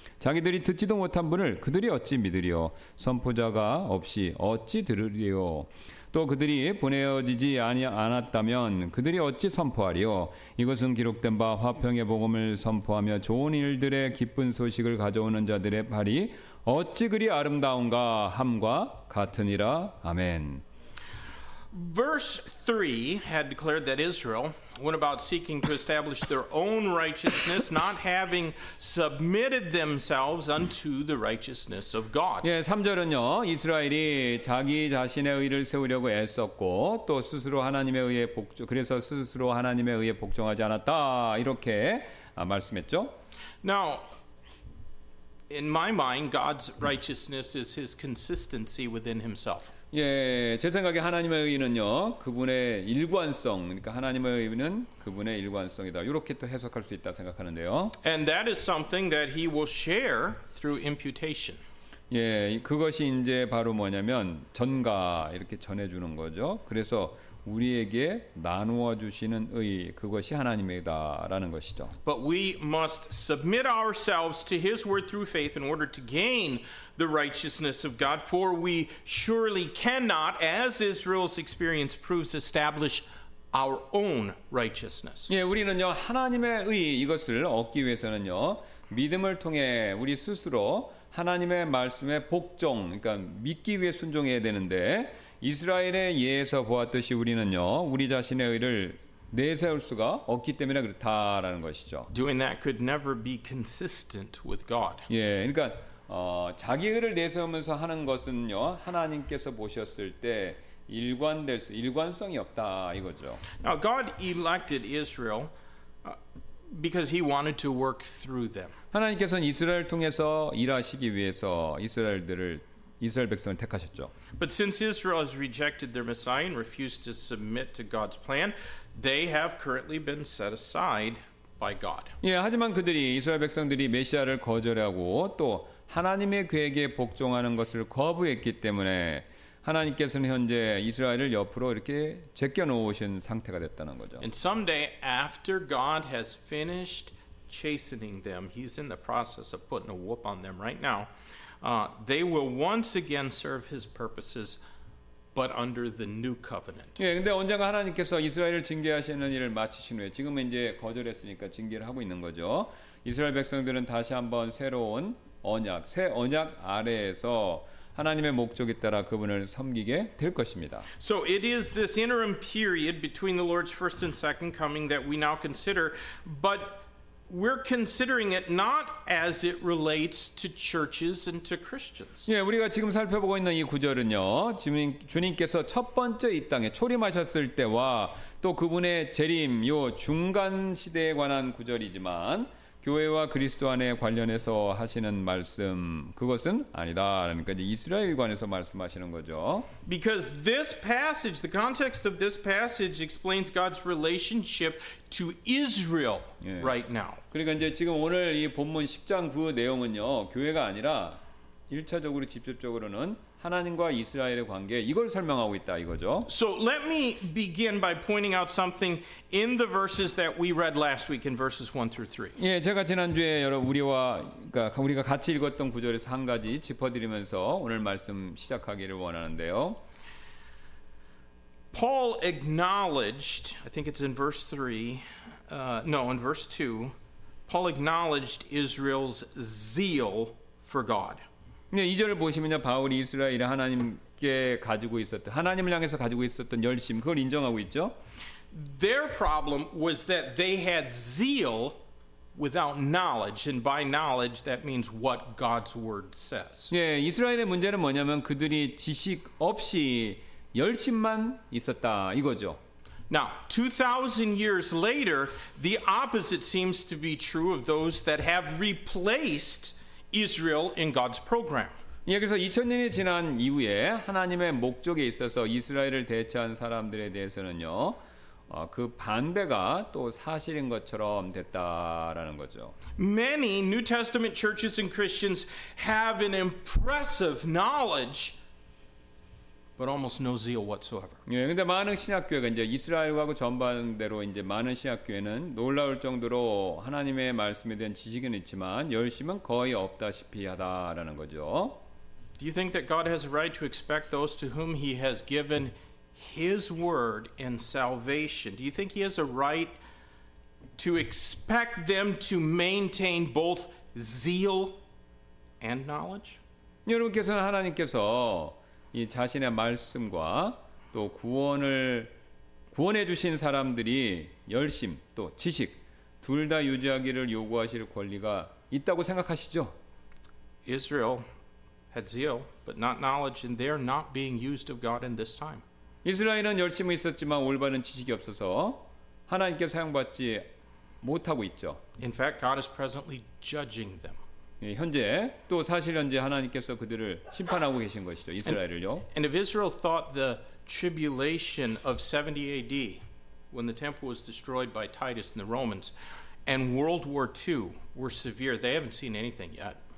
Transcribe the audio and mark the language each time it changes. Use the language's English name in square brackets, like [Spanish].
[Korean] 자기들이 듣지도 못한 분을 그들이 어찌 믿으리요? 선포자가 없이 어찌 들으리요? 또 그들이 보내어지지 아니 않았다면 그들이 어찌 선포하리요? 이것은 기록된 바 화평의 복음을 선포하며 좋은 일들의 기쁜 소식을 가져오는 자들의 발이 어찌 그리 아름다운가 함과 같으니라. 아멘. [English] Verse 3 had declared that Israel went about seeking to establish their own righteousness, not having submitted themselves unto the righteousness of God. [Korean] 예, 3절은요, 이스라엘이 자기 자신의 의를 세우려고 애썼고 또 스스로 하나님의 의에 복종, 그래서 스스로 하나님의 의에 복종하지 않았다 이렇게 말씀했죠. [English] Now, in my mind, God's righteousness is His consistency within Himself. [Korean] 예, 제 생각에 하나님의 의는요 그분의 일관성, 그러니까 하나님의 의는 그분의 일관성이다. 이렇게 또 해석할 수 있다 생각하는데요. [English] And that is something that He will share through imputation. [Korean] 예, 그것이 이제 바로 뭐냐면 전가 이렇게 전해주는 거죠. 그래서 우리에게 나누어 주시는 의 그것이 하나님이다라는 것이죠. [English] But we must submit ourselves to His word through faith in order to gain the righteousness of God. For we surely cannot, as Israel's experience proves, establish our own righteousness. [Korean] 예, 우리는요 하나님의 의 이것을 얻기 위해서는요 믿음을 통해 우리 스스로 하나님의 말씀에 복종, 그러니까 믿기 위해 순종해야 되는데 이스라엘의 예에서 보았듯이 우리는요 우리 자신의 의를 내세울 수가 없기 때문에 그렇다라는 것이죠. [English] Doing that could never be consistent with God. [Korean] 예, 그러니까 자기 의를 내세우면서 하는 것은요 하나님께서 보셨을 때 일관될 수, 일관성이 없다 이거죠. [English] Now God elected Israel because He wanted to work through them. [Korean] 하나님께서는 이스라엘 통해서 일하시기 위해서 이스라엘들을 이스라엘 백성을 택하셨죠. [English] But since Israel has rejected their Messiah and refused to submit to God's plan, they have currently been set aside by God. [Korean] 예, 하지만 그들이 이스라엘 백성들이 메시아를 거절하고 또 하나님의 계획에 복종하는 것을 거부했기 때문에 하나님께서는 현재 이스라엘을 옆으로 이렇게 제껴 놓으신 상태가 됐다는 거죠. [English] And someday after God has finished chastening them, He's in the process of putting a whoop on them right now. They will once again serve His purposes, but under the new covenant. [Korean] 예, 근데 언젠가 하나님께서 이스라엘을 징계하시는 일을 마치신 후에 지금 이제 거절했으니까 징계를 하고 있는 거죠. 이스라엘 백성들은 다시 한번 새로운 언약, 새 언약 아래에서 하나님의 목적에 따라 그분을 섬기게 될 것입니다. [English] So it is this interim period between the Lord's first and second coming that we now consider, but we're considering it not as it relates to churches and to Christians. [Korean] 예, 우리가 지금 살펴보고 있는 이 구절은요. 주님께서 첫 번째 이 땅에 초림하셨을 때와 또 그분의 재림 요 중간 시대에 관한 구절이지만 교회와 그리스도 안에 관련해서 하시는 말씀 그것은 아니다. 그러니까 이제 이스라엘에 관해서 말씀하시는 거죠. [English] Because this passage, the context of this passage explains God's relationship to Israel right now. [Korean] 그러니까 이제 지금 오늘 이 본문 10장 그 내용은요. 교회가 아니라 일차적으로 직접적으로는 하나님과 이스라엘의 관계 이걸 설명하고 있다 이거죠. [English] So let me begin by pointing out something in the verses that we read last week in verses 1 through 3. [Korean] 예, 제가 지난주에 여러분 우리가 같이 읽었던 구절에서 한 가지 짚어 드리면서 오늘 말씀 시작하기를 원하는데요. [English] Paul acknowledged, I think it's in verse 3. In verse 2, Paul acknowledged Israel's zeal for God. [Korean] 네, 2절을 보시면요. 바울이 이스라엘이 하나님께 가지고 있었던 하나님을 향해서 가지고 있었던 열심 그걸 인정하고 있죠. [English] Their problem was that they had zeal without knowledge and by knowledge that means what God's word says. [Korean] 예, 네, 이스라엘의 문제는 뭐냐면 그들이 지식 없이 열심만 있었다 이거죠. [English] Now, 2000 years later, the opposite seems to be true of those that have replaced Israel in God's program. [Korean] 예, 그래서 2000년이 지난 이후에 하나님의 목적에 있어서 이스라엘을 대체한 사람들에 대해서는요, 그 반대가 또 사실인 것처럼 됐다라는 거죠. [English] Many New Testament churches and Christians have an impressive knowledge, but almost no zeal whatsoever. [Korean] 예, 근데 많은 신약교회가 이제 이스라엘하고 전반대로 이제 많은 신약교회는 놀라울 정도로 하나님의 말씀에 대한 지식은 있지만 열심은 거의 없다시피 하다라는 거죠. [English] Do you think that God has a right to expect those to whom he has given his word and salvation? Do you think he has a right to expect them to maintain both zeal and knowledge? [Korean] 여러분께서는 하나님께서 이 자신의 말씀과 또 구원해 주신 사람들이 열심 또 지식 둘 다 유지하기를 요구하실 권리가 있다고 생각하시죠? [English] Israel had zeal, but not knowledge, and they're not being used of God in this time. [Korean] 이스라엘은 열심은 있었지만 올바른 지식이 없어서 하나님께 사용받지 못하고 있죠. [English] In fact, God is presently judging them. [Korean] 현재 또 사실 현재 하나님께서 그들을 심판하고 계신 것이죠 이스라엘을요. [English] And if Israel thought the tribulation of 70 AD, when the temple was destroyed by Titus and the Romans, and World War II were severe, they haven't seen anything yet.